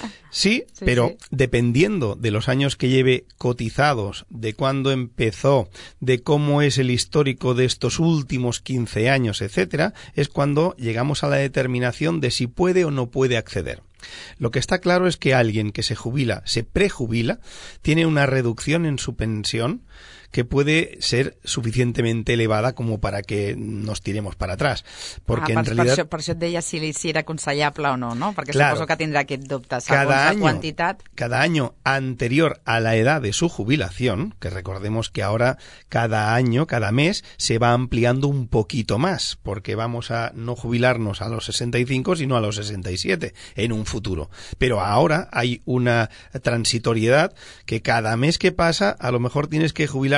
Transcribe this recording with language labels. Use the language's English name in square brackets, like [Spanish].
[Spanish] Sí, pero sí, dependiendo de los años que lleve cotizados, de cuándo empezó, de cómo es el histórico de estos últimos 15 años, etcétera, es cuando llegamos a la determinación de si puede o no puede acceder. Lo que está claro es que alguien que se jubila, se prejubila, tiene una reducción en su pensión que puede ser suficientemente elevada como para que nos tiremos para atrás. Porque en realidad... [Catalan] Per això et deia si era aconsellable o no, ¿no? Perquè [Spanish] claro, [Catalan] suposo que tindrà aquest dubte, segons la quantitat. [Spanish] Cada año anterior a la edad de su jubilación, que recordemos que ahora cada año, cada mes, se va ampliando un poquito más, porque vamos a no jubilarnos a los 65, sino a los 67 en un futuro. Pero ahora hay una transitoriedad que cada mes que pasa, a lo mejor tienes que jubilar